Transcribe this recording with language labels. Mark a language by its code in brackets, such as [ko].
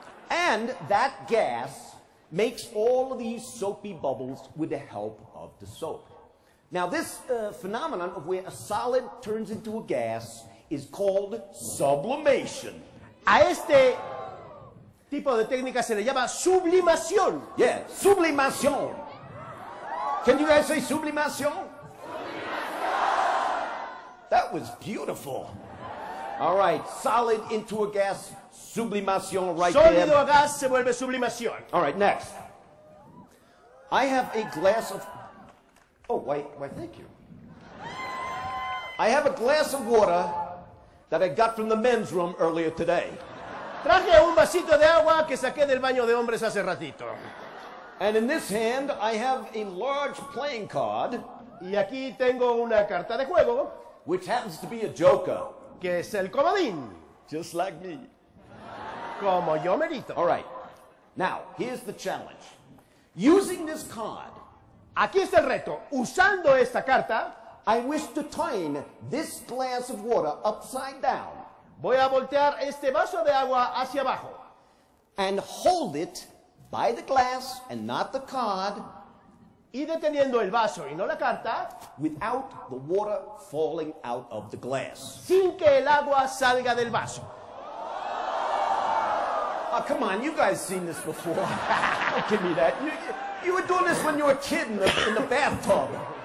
[en] And that gas makes all of these soapy bubbles with the help of the soap. Now, this phenomenon of where a solid turns into a gas is called sublimation. [es] A este tipo de técnica se le llama sublimación. [en] Yeah, sublimación. Can you guys say sublimación? That was beautiful. All right, solid into a gas, sublimación right [es] sólido Sólido a gas se vuelve sublimación. [en] All right, next. I have a glass of... Oh, why, thank you. I have a glass of water that I got from the men's room earlier today. [es] Traje un vasito de agua que saqué del baño de hombres hace ratito. [en] And in this hand, I have a large playing card. [es] Y aquí tengo una carta de juego. [en] Which happens to be a joker. [es] Que es el comodín. [en] Just like me. [es] Como yo merito. [en] All right. Now, here's the challenge. Using this card. [es] Aquí está el reto. Usando esta carta. [en] I wish to turn this glass of water upside down. [es] Voy a voltear este vaso de agua hacia abajo. [en] And hold it by the glass and not the card. [es] Y deteniendo el vaso y no la carta. [en] Without the water falling out of the glass. [es] Sin que el agua salga del vaso. [en] Oh, come on, you guys seen this before. Don't give me that. You were doing this when you were a kid in the bathtub.